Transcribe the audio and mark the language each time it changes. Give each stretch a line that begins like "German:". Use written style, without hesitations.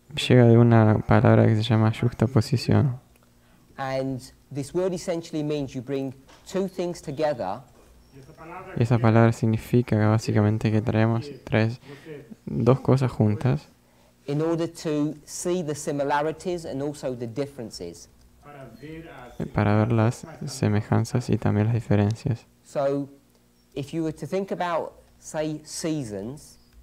Spanish: Llega de una palabra que se llama juxtaposición.
English: And this word essentially means you bring two things together.
Spanish: Esa palabra significa básicamente que traemos dos cosas juntas.
English: In order to see the similarities and also the differences.
Spanish: Para ver las semejanzas y también las diferencias.
English: So, if you were to think about, say, seasons.